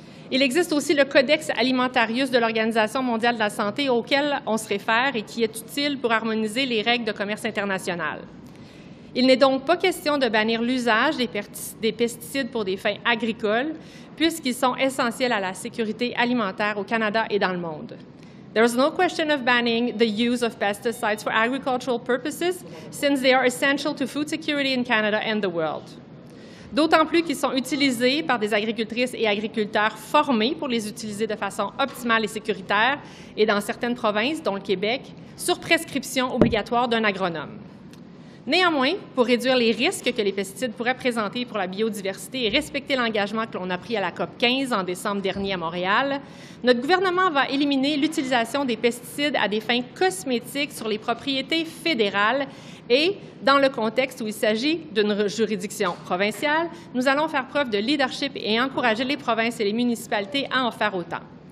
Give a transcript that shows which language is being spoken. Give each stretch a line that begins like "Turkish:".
French: Il existe aussi le Codex Alimentarius de l'Organisation mondiale de la santé auquel on se réfère et qui est utile pour harmoniser les règles de commerce international. Il n'est donc pas question de bannir l'usage des pesticides pour des fins agricoles, puisqu'ils sont essentiels à la sécurité alimentaire au Canada et dans le monde.
English: There is no question of banning the use of pesticides for agricultural purposes, since they are essential to food security in Canada and the world.
French: D'autant plus qu'ils sont utilisés par des agricultrices et agriculteurs formés pour les utiliser de façon optimale et sécuritaire, et dans certaines provinces, dont le Québec, sur prescription obligatoire d'un agronome. Néanmoins, pour réduire les risques que les pesticides pourraient présenter pour la biodiversité et respecter l'engagement que l'on a pris à la COP15 en décembre dernier à Montréal, notre gouvernement va éliminer l'utilisation des pesticides à des fins cosmétiques sur les propriétés fédérales et, dans le contexte où il s'agit d'une juridiction provinciale, nous allons faire preuve de leadership et encourager les provinces et les municipalités à en faire autant.